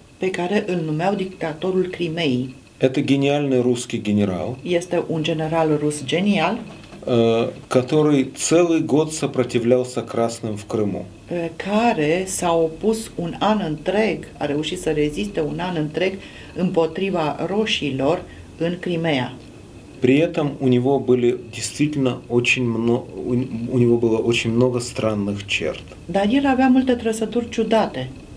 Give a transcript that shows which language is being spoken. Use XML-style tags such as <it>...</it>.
<ro>Pe care îl numeau dictatorul Crimeei.</ro> <ru>Это гениальный русский генерал.</ru> <ro>Este un general rus genial,</ro> <ru>который целый год сопротивлялся красным в Крыму.</ru> <ro>Care s-a opus un an întreg, a reușit să reziste un an întreg împotriva roșilor în Crimea.</ro> <ru>При этом у него были действительно очень много, у него было очень много странных черт.</ru> <ro>Да, el avea multe trăsături ciudate.</ro>